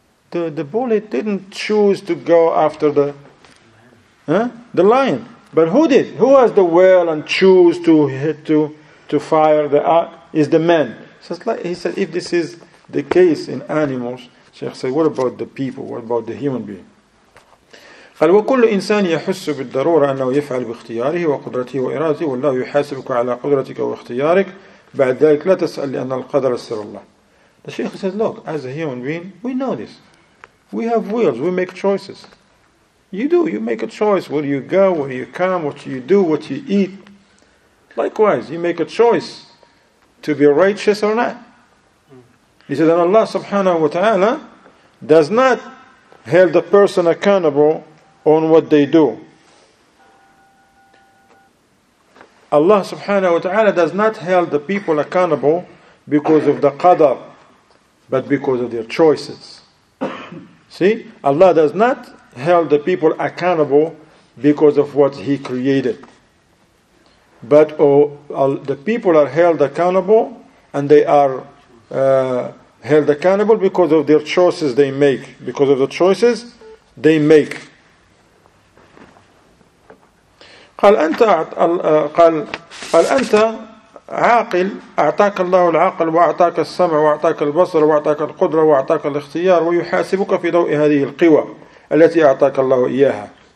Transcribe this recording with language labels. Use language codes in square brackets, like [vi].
[en] The bullet didn't choose to go after the lion. But who did? Who has the will and choose to hit to fire the arc? Is the man. So it's like, he said, if this is the case in animals, Sheikh said, what about the people? What about the human being? [ar] قال وكل إنسان يحس بالضرورة أنه يفعل باختياره وقدرته وإرادته والله يحاسبك على قدرتك واختيارك بعد ذلك لا تسأل لأن القدر سر الله. [en] The Sheikh said, look, as a human being, we know this. We have wills, we make choices. You make a choice where you go, where you come, what you do, what you eat. Likewise, you make a choice to be righteous or not. He said, and Allah subhanahu wa ta'ala does not hold the person accountable on what they do. Allah subhanahu wa ta'ala does not hold the people accountable because of the qadr, but because of their choices. See? Allah does not hold the people accountable because of what He created. But the people are held accountable and they are held accountable because of their choices they make. Because of the choices they make. [ar] قال أنت عاقل أعطاك الله العقل وأعطاك السمع وأعطاك البصر وأعطاك القدرة وأعطاك الاختيار ويحاسبك في ضوء هذه القوى التي أعطاك الله إياها.